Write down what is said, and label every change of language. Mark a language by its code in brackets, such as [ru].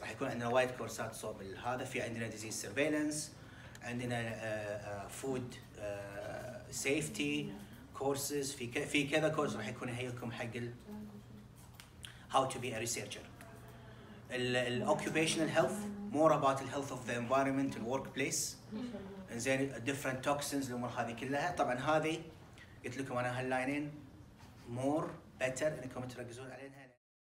[ar] راح يكون عندنا وايد كورسات صوب هذا. في عندنا disease surveillance، عندنا food safety courses، في كذا كورس راح يكون هيكم حق [en] how to be a researcher. ال occupational health more about the health of the environment and workplace. [ar] انزين different toxins الامور هذه كلها. طبعا هذه قلت لكم انا هاللاينين [en] more better [ar] انكم تركزون عليها.